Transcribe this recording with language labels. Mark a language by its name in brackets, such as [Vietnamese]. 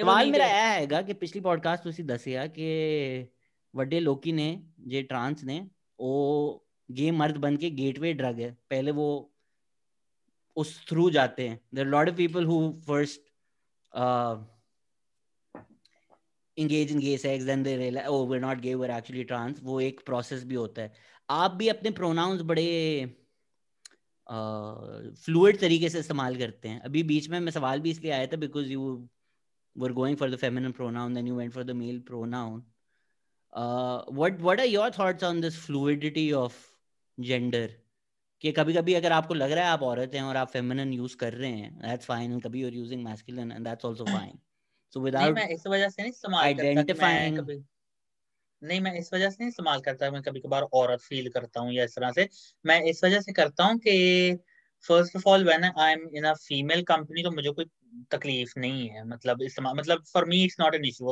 [Hindi] सवाल मेरा यह आएगा कि पिछली पॉडकास्ट [Punjabi] तुसी दसिया कि वड्डे लोकी ने [Hindi] जे ट्रांस ने ओ गे मर्द बन के गेटवे ड्रग है, पहले वो उस थ्रू जाते हैं, [English] There lot of people who first engage in gay sex, then they realize, oh, we're not gay, we're actually trans. [Hindi] वो एक process भी होता है. आप भी अपने pronouns बड़े fluid तरीके से इस्तेमाल करते हैं. अभी बीच में मैं सवाल भी इसलिए आया था, [English] because you were going for the feminine pronoun, then you went for the male pronoun. What are your thoughts on this fluidity of gender? [Hindi] कि कभी-कभी अगर आपको लग रहा है आप औरत हैं और आप feminine use कर रहे हैं, [English] that's fine. And कभी you're using masculine and that's also fine. So without identifying, [Hindi] नहीं मैं इस वजह से नहीं इस्तेमाल करता. मैं कभी कभार औरत फील करता हूँ या इस तरह से. मैं इस वजह से करता हूँ कि [English] first of all when I am in a female company [Hindi] तो मुझे कोई तकलीफ नहीं है. मतलब [English] For me it's not an issue.